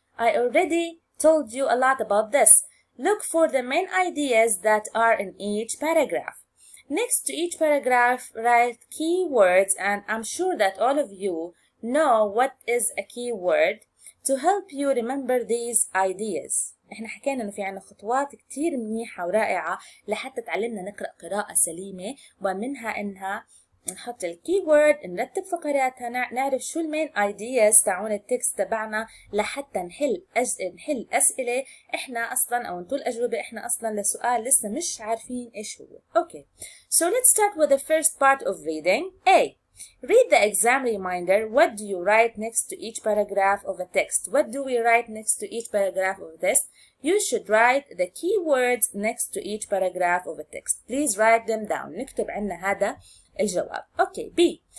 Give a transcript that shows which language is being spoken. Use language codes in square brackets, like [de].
[en] I already told you a lot about this. Look for the main ideas that are in each paragraph. Next to each paragraph, write keywords, and I'm sure that all of you know what is a keyword to help you remember these ideas. [ar] احنا حكينا انه في عنا خطوات كتير منيحة ورائعة لحتى تعلمنا نقرأ قراءة سليمة, ومنها انها نحط الكيورد, نرتب فقراتها, نعرف شو المين ايدياز تاعون التكست تبعنا لحتى نحل اسئلة احنا اصلا او نطول اجوبة احنا اصلا لسؤال لسه مش عارفين ايش هو. [en] Okay, so let's start with the first part of reading. A. Read the exam reminder. What do you write next to each paragraph of a text? What do we write next to each paragraph of this? You should write the keywords next to each paragraph of a text. Please write them down. [ar] نكتب عنا هذا الجواب. [en] Okay, B.